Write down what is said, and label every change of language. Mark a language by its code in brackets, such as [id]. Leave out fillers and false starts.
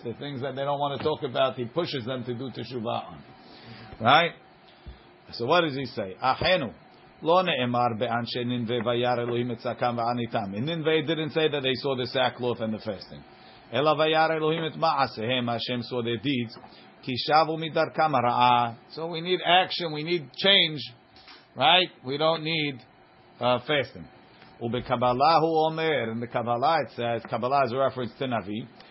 [en] The things that they don't want to talk about, he pushes them to do teshuvah on. Right? So what does he say? אחינו. [he] לא נאמר באנשי נינווה וירא אלוהים את צעקם ועניתם. [en] In Nineveh didn't say that they saw the sackcloth and the fasting. [he] אלא וירא אלוהים את מעשיהם, השם [en] saw their deeds. [he] כי שבו מדרכם הרעה. [en] So we need action, we need change. Right? We don't need fasting. [he] ובקבלה הוא אומר, [en] in the Kabbalah it says, Kabbalah is a reference to Navi.